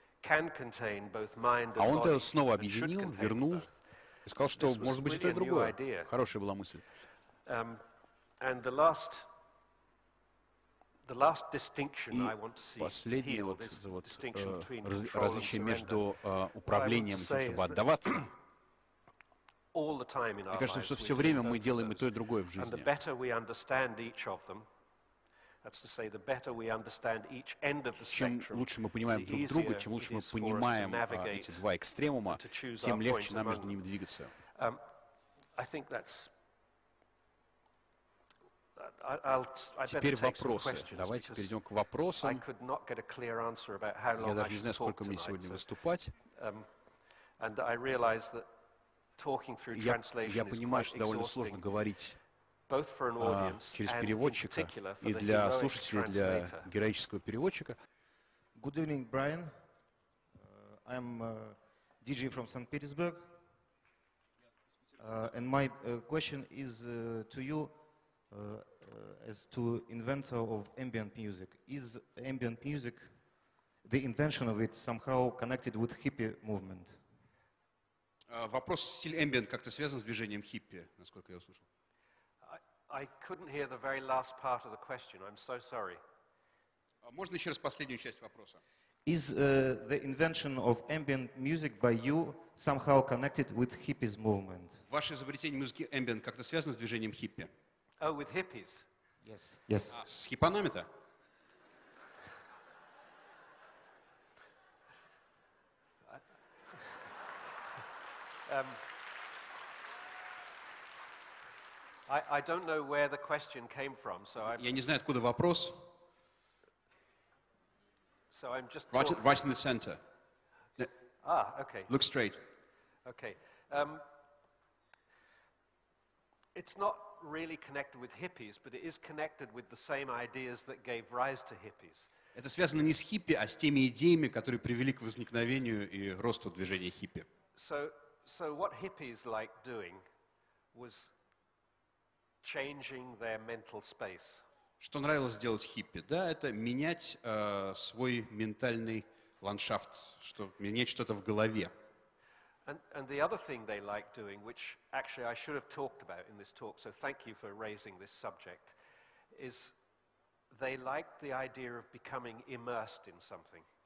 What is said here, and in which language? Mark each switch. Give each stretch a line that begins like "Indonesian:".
Russian: А он-то снова объединил, вернул и сказал, что может быть и то, и другое. Хорошая была мысль.
English: And the last distinction I want to see healed is the вот, distinction between control and surrender.
Russian: Различие между управлением и тем, чтобы отдаваться.
English: All the time in our lives.
Russian: Мне кажется, что все время мы делаем и то, и другое в жизни.
English: And the better we understand each of them, that's to say, the better we understand each end of the spectrum.
Russian: Чем лучше мы понимаем друг друга, чем лучше мы понимаем эти два экстремума, тем легче нам между ними двигаться.
English: I think that's
Russian: Теперь вопросы. Давайте перейдем к вопросам. Я даже не знаю, сколько мне сегодня выступать. Я понимаю, что довольно сложно говорить через переводчика и для слушателей, для героического переводчика.
English: Good evening, Brian. I'm DJ from St. Petersburg. And my question is to you. As to inventor of ambient music, is ambient music, the invention of it, somehow connected with hippie movement?
Russian: Вопрос, стиль ambient как-то связан с движением хиппи, насколько я услышал.
English: I couldn't hear the very last part of the question. I'm so sorry.
Russian: Можно еще раз последнюю часть вопроса?
English: Is the invention of ambient music by you somehow connected with hippies movement?
Russian: Ваше изобретение музыки ambient как-то связано с движением хиппи?
English: Oh, with hippies. Yes. Yes.
Russian: С хипанами-то?
English: I don't know where the question came from, so I'm.
Russian: Я не знаю, откуда вопрос.
English: So I'm just. Right in the center. Ah, okay. Look straight. Okay. It's not really connected with hippies, but it is connected with the same ideas that gave rise to hippies.
Russian: Это связано не с хиппи, а с теми идеями, которые привели к возникновению и росту движения хиппи.
English: So what hippies like doing was changing their mental space.
Russian: Что нравилось делать хиппи? Да, это менять свой ментальный ландшафт, что менять что-то в голове.
English: And the other thing they like doing, which actually I should have talked about in this talk, so thank you for raising this subject, is they like the idea of becoming immersed in something.